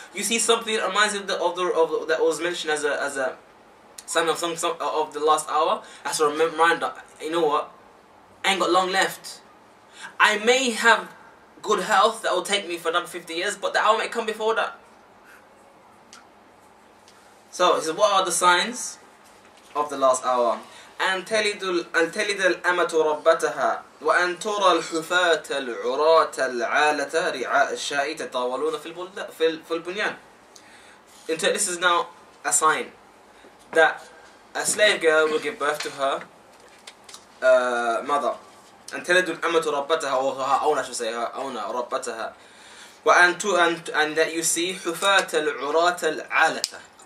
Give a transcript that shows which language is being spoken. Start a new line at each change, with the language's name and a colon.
English: You see something that reminds you that was mentioned as a sign of some of the last hour. That's a reminder. You know what? I ain't got long left. I may have good health that will take me for another 50 years, but the hour may come before that. So, he says, what are the signs of the last hour?
Arabic: أن تلد الأمة ربتها وأن ترى الحفاة العراة العالة رعاء الشاء تطاولون في البنيان.
English: This is now a sign that a slave girl will give birth to her mother.
Arabic: أن تلد الأمة ربتها
English: or her owner, I should say, her owner, ربتها. And that you see
Arabic: حفاة العراة العالة.